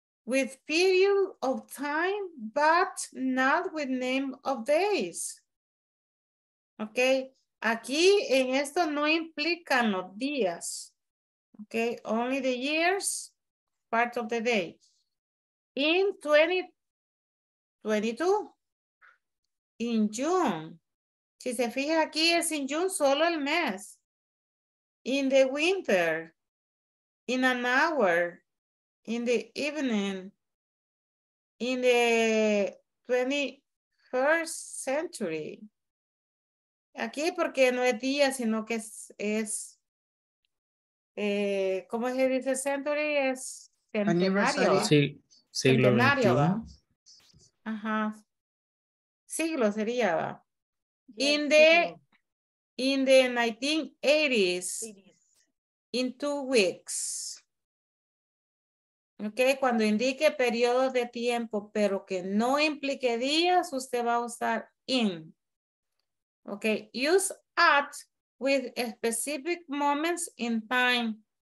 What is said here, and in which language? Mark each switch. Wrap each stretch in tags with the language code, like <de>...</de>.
<en>with period of time, but not with name of days.</en> <es>Ok, aquí en esto no implican los días.</es> <en>Ok, only the years, part of the day. In 2022, in June.</en> <es>Si se fija aquí es</es> <en>in June,</en> <es>solo el mes.</es> <en>In the winter, in an hour, in the evening, in the 21st century.</en> <es>Aquí porque no es día, sino que es ¿cómo se dice century? Es centenario. Siglo XXI. Ajá. Siglo sería, ¿va?</es> <en>In the 1980s, in 2 weeks.</en> <es>Ok, cuando indique periodo de tiempo, pero que no implique días, usted va a usar in.</es> <en>Ok, use at with specific moments in time.</en>